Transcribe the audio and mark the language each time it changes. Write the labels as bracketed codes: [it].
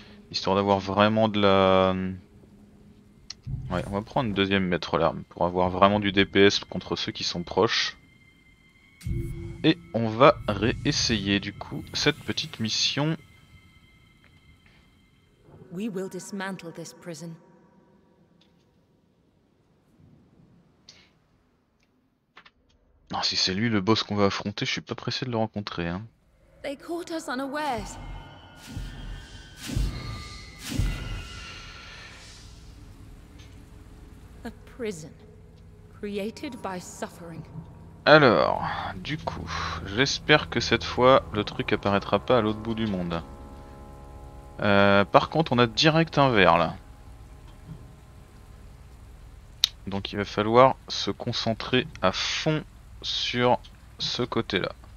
[fr] Histoire d'avoir vraiment de la. Ouais, on va prendre une deuxième maître l'arme pour avoir vraiment du DPS contre ceux qui sont proches. Et on va réessayer du coup cette petite mission. [en] We will dismantle this prison. [fr] Oh, si c'est lui le boss qu'on va affronter, je suis pas pressé de le rencontrer, hein. [en] They caught us unawares. A prison created by suffering. [fr] Alors, du coup, j'espère que cette fois le truc apparaîtra pas à l'autre bout du monde. Par contre, on a direct un verre là. Donc il va falloir se concentrer à fond sur ce côté-là.